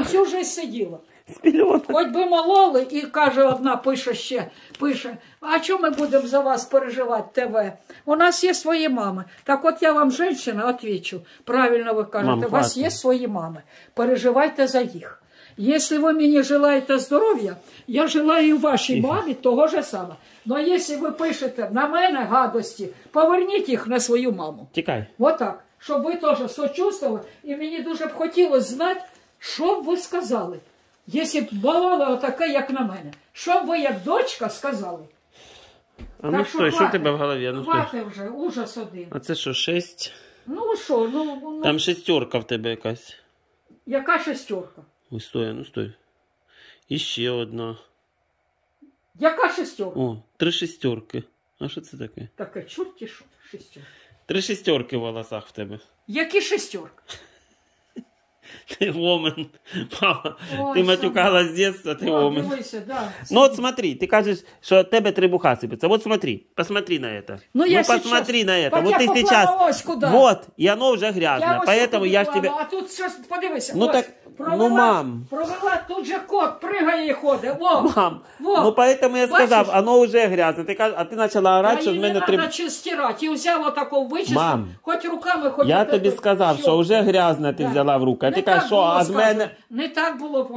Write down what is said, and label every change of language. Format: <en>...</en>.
<uk>Всю жизнь сиділа. Спільонок. Хоч би мололи, і каже одна, пише ще, пише, а чому ми будемо за вас переживати, ТВ? У нас є свої мами. Так от я вам, жінка, відвечу. Правильно ви кажете, мам, у вас є свої мами. Переживайте за їх.</uk> <ru>Если вы мне желаете здоровья, я желаю вашей маме того же самого. Но если вы пишете на мене гадости, поверните их на свою маму.</ru> <uk>Тікай.</uk> <ru>Вот так. Чтобы вы тоже сочувствовали. И мне дуже б хотелось знать, что бы вы сказали, если бы бывало вот такое, как на мене. Что бы вы, как дочка, сказали? А так, ну что, что у тебя в голове? Ну, хватит уже, ужас один. А это что, шесть? Ну что, ну...</ru> <uk>Там шестерка в тебе якась. Яка шестерка?</uk> <ru>Ой, стой, ну стой. Еще одна.</ru> <uk>Яка шестерка?</uk> <ru>О, три шестерки. А что это такое?</ru> <uk>Таке чорті що, шестерка.</uk> <ru>Три шестерки в волосах в тебе.</ru> <uk>Які шестерки? Ти омен, мама, ти матюкала з дитинства, ти омен. Ну от смотри, ти кажеш, що тебе трибуха сипеться.</uk> <ru>От смотри, посмотри на це.</ru> <uk>Ну я зараз.</uk> <ru>Вот я поплавилась сейчас...</ru> <uk>куди. Вот, і оно вже грязне. Я поэтому я ж тебе... А тут зараз подивися. Ну ось, так, провела, ну мам. Провела, тут же кот пригає і ходить. О, мам, во. Ну поэтому я сказав, бачиш? Оно вже грязне. Ти кажеш, а ти почала орати, да що з мене трибуха. Я її не треба стирати. І взяла таку вичисту, мам, хоч руками, хоч... Я тобі сказав, що вже грязне ти взяла в руки. Не, кажу, так а з мене... не так було.</uk>